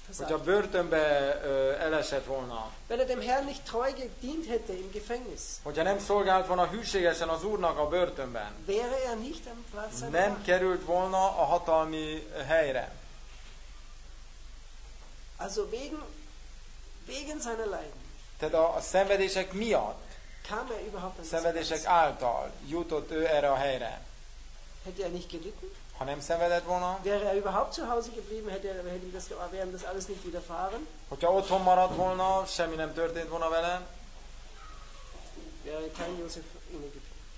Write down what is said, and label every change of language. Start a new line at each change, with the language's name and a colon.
Hungarian: Hogy a börtönbe elesett volna.
German: Wenn er dem Herrn nicht treu gedient hätte im Gefängnis.
Hungarian: Hogyha nem szolgált volna hűségesen az Úrnak a börtönben.
German: Wäre er nicht am Platz seiner.
Hungarian: Nem került volna a hatalmi helyre.
German: Also wegen seiner Leiden.
Hungarian: Tehát a szenvedések miatt.
German: Kam er überhaupt
Hungarian: an szenvedések által jutott ő erre a helyre.
German: Hätte er nicht gelitten?
Hungarian: Ha nem szenvedett volna.
German: Wäre er überhaupt zu Hause geblieben, hätte ihm das, wären das alles nicht widerfahren.
Hungarian: Hogyha otthon maradt volna, semmi nem történt volna vele.
German: Wäre kein Josef in Ägypten.